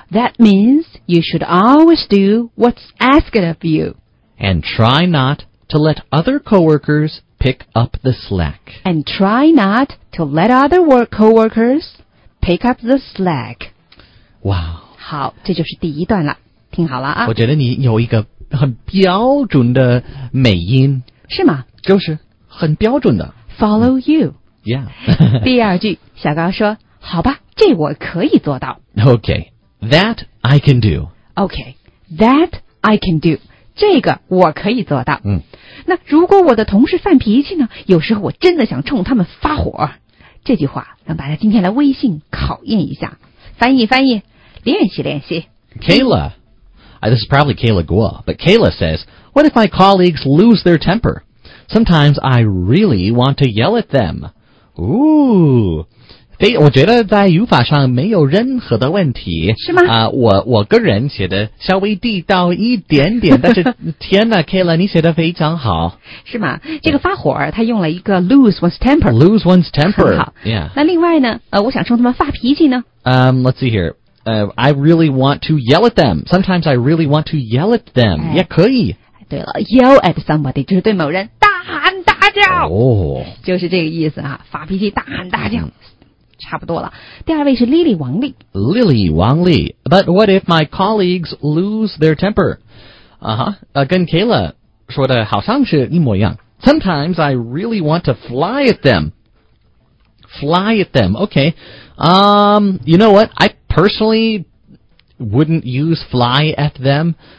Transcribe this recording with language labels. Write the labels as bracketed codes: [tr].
[en] That means you should always do what's asked of you. And try not to let other coworkers pick up the slack. And try not to let other coworkers pick up the slack. Wow. [zh] 好，这就是第一段了。听好了啊。我觉得你有一个很标准的美音。是吗？就是很标准的。 [en] Follow you. Yeah. [zh] 第二句，小高说好吧，这我可以做到。 [en] Okay, that I can do. Okay, that I can do. [zh] 这个我可以做到。嗯，那如果我的同事犯脾气呢？有时候我真的想冲他们发火。这句话让大家今天来微信考验一下，翻译翻译，练习练习。 [en] Kayla, this is probably Kayla Guo, but Kayla says, "What if my colleagues lose their temper? Sometimes I really want to yell at them." Ooh. [zh] 对，我觉得在语法上没有任何的问题。是吗？我个人写的稍微地道一点点，但是天哪，Kayla，你写的非常好。是吗？这个发火，他用了一个 [en] lose one's temper。 lose one's temper。 [zh] 好。 [en] Yeah。 [zh] 那另外呢？我想冲他们发脾气呢。 [en] Let's see here. I really want to yell at them. Sometimes I really want to yell at them. [zh] 也可以。对了， [en] yell at somebody [zh] 就是对某人大喊大叫。哦、oh.。就是这个意思啊，发脾气，大喊大叫。差不多了。第二位是 Lily 王丽。 Lily 王丽。 [en] But what if my colleagues lose their temper? [zh] 啊、哈，跟 Kayla 说的好像是一模一样。 [en] Sometimes I really want to fly at them. Fly at them. Okay. You know what? I personally wouldn't use fly at them.